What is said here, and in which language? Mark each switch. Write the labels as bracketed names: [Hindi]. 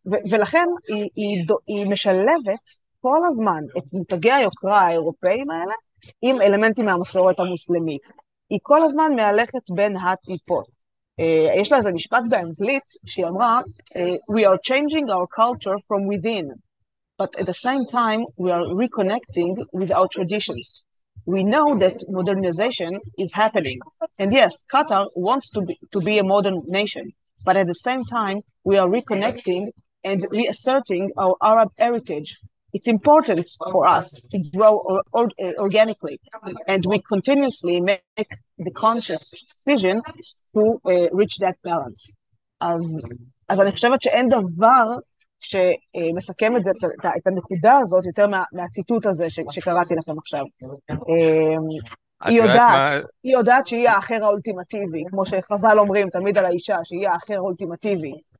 [Hebrew] ולכן היא משלבת כל הזמן את מותגי היוקרה האירופאים האלה עם אלמנטים מהמסורת המוסלמית. היא כל הזמן מהלכת בין הטיפות. יש לה איזה משפט באנגלית שהיא אמרה, [English] We are changing our culture from within, but at the same time we are reconnecting with our traditions. We know that modernization is happening. And yes, Qatar wants to be a modern nation, but at the same time we are reconnecting and reasserting our Arab heritage. It's important for us to grow organically, and we continuously make the conscious decision to reach that balance. [Hebrew] אז אני חושבת שאין דבר שמסכם את זה, את הנקודה הזאת, יותר מהציטוט הזה שקראתי לכם עכשיו. היא יודעת שהיא האחר האולטימטיבי, כמו שחזל אומרים תמיד על האישה, שהיא האחר האולטימטיבי.